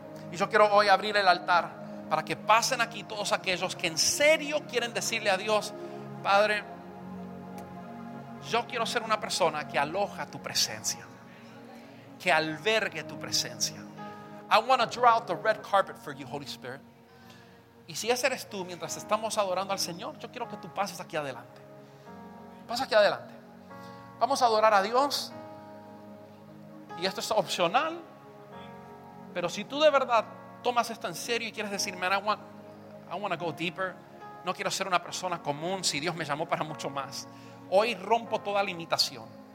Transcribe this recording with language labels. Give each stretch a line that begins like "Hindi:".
Spanish: Y yo quiero hoy abrir el altar para que pasen aquí todos aquellos que en serio quieren decirle a Dios: Padre, yo quiero ser una persona que aloja tu presencia, que albergue tu presencia.
English: I want to draw out the red carpet for you, Holy Spirit.
Spanish: Y si ese eres tú, mientras estamos adorando al Señor, yo quiero que tú pases aquí adelante. Pasa aquí adelante. Vamos a adorar a Dios. Y esto es opcional, pero si tú de verdad tomas esto en serio y quieres decir,
English: man, I want to go deeper,
Spanish: no quiero ser una persona común, si Dios me llamó para mucho más, hoy rompo toda limitación.